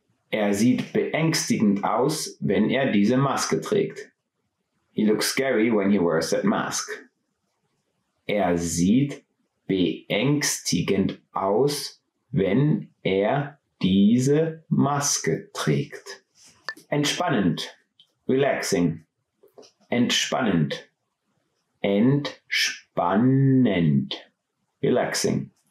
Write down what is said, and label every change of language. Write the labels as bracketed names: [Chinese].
[German] Er sieht beängstigend aus, wenn er diese Maske trägt. [English] He looks scary when he wears that mask. [German] Er sieht beängstigend aus, wenn er diese Maske trägt. Entspannend. Relaxing. Entspannend. Entspannend. Relaxing.